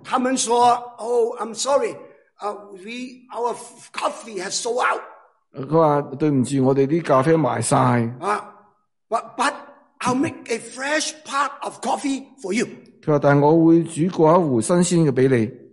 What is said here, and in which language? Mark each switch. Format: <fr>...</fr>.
<zh>他们说</zh> <en>,Oh, I'm sorry, our coffee has sold out.</en> <zh>他说对不起我们的咖啡卖晒。</zh> <en>But I'll make a fresh pot of coffee for you.</en> <zh>他说但我会煮过一壶新鲜的给你。</zh>